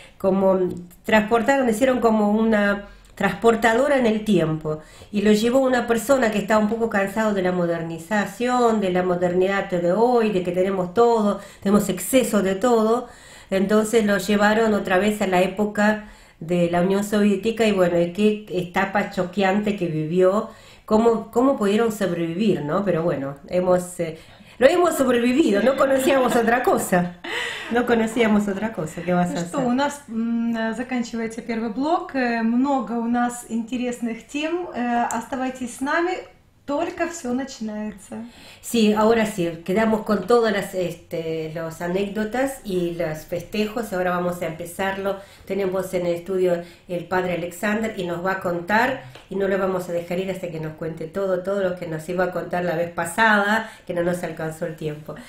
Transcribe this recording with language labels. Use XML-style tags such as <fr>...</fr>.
<es>Como transportaron, hicieron como una transportadora en el tiempo, y lo llevó una persona que estaba un poco cansado de la modernización, de la modernidad de hoy, de que tenemos todo, tenemos exceso de todo, entonces lo llevaron otra vez a la época de la Unión Soviética, y bueno, y qué etapa choqueante que vivió, cómo pudieron sobrevivir, ¿no? Pero bueno, lo hemos sobrevivido, no conocíamos otra cosa. Но конусиемус от ракоса, для вас.</es> <ru>Ну что, у нас заканчивается первый блок. Много у нас интересных тем. Оставайтесь с нами, только все начинается.</ru> <es>Sí, ahora sí. Quedamos con todas las los anécdotas y los festejos. Ahora vamos a empezarlo. Tenemos en el estudio el padre Alexander y nos va a contar y no lo vamos a dejar ir hasta que nos cuente todo lo que nos iba a contar la vez pasada, que no nos alcanzó el tiempo.</es>